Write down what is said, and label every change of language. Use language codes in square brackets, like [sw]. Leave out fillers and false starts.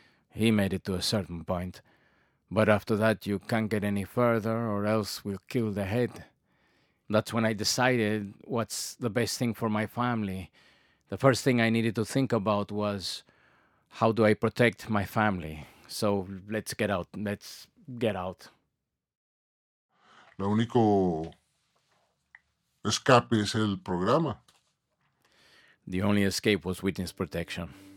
[en] He made it to a certain point. But after that, you can't get any further, or else we'll kill the head. That's when I decided what's the best thing for my family. The first thing I needed to think about was, how do I protect my family? So let's get out. Let's get out. [es] Lo único escape es el programa. [en] The only escape was witness protection.